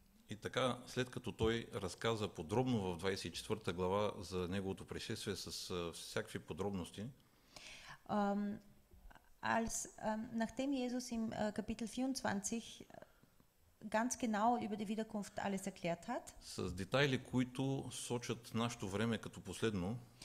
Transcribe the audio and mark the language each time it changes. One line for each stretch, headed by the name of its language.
Bulgarian: И така, след като той разказа подробно в 24 глава за неговото пришествие с всякакви подробности.
German: Nachdem Jesus im Kapitel 24 ganz genau über die Wiederkunft alles erklärt hat.
Bulgarian: С детайли, които сочат нашето време като последно.